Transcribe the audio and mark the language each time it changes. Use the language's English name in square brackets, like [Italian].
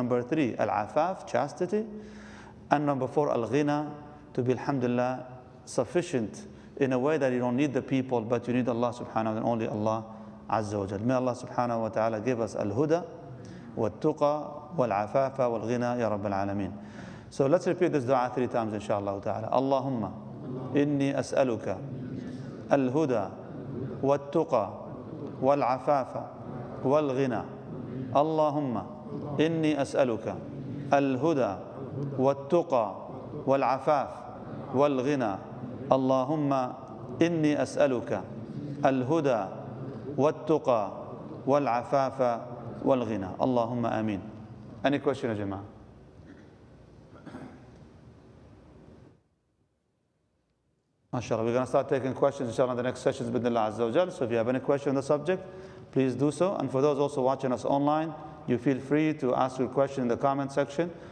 [English] Number three, al-afaf, chastity. And number four, al-ghina, to be alhamdulillah sufficient in a way that you don't need the people, but you need Allah subhanahu wa ta'ala, only Allah azza wa jal. [Arabic] May Allah subhanahu wa ta'ala give us al-huda, والتقى والعفاف والغنى يا رب العالمين. [English] So let's repeat this dua three times إن شاء الله تعالى. [Arabic] اللهم إني أسألك الهدى والتقى والعفاف والغنى. اللهم إني أسألك الهدى والتقى والعفاف والغنى. اللهم إني أسألك الهدى والتقى والعفاف والغنى. اللهم آمين. [English] Any question يا جماعة؟ ما شاء الله. We're gonna start taking questions inshallah in the next sessions بإذن الله عز وجل. So if you have any question on the subject, please do so. And for those also watching us online, you feel free to ask your question in the comment section.